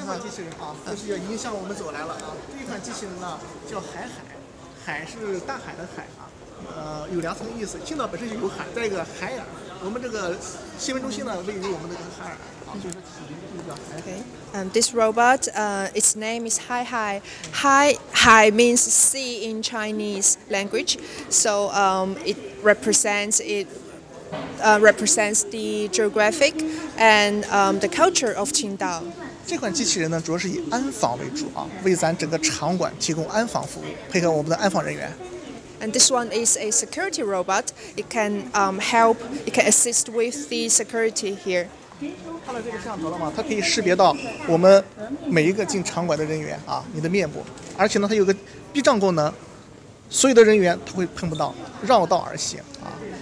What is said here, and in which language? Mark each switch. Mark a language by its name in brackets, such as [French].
[Chinese] 第三款机器人啊，就是已经向我们走来了啊。这一款机器人呢叫海海，海是大海的海啊，有两层意思。青岛本身就有海，再一个海尔，我们这个新闻中心呢位于我们的海尔啊，所以说起名就叫海海。 [English] This robot, its name is Hai Hai. Hai means sea in Chinese language, so it represents the geographic and the culture of Qingdao. [Chinese] 这款机器人呢，主要是以安防为主啊，为咱整个场馆提供安防服务，配合我们的安防人员。 [English] And this one is a security robot. It can help. It can assist with the security here. [Chinese] 看到这个摄像头了吗？它可以识别到我们每一个进场馆的人员啊，你的面部，而且呢，它有个避障功能，所有的人员它会碰不到，绕道而行啊。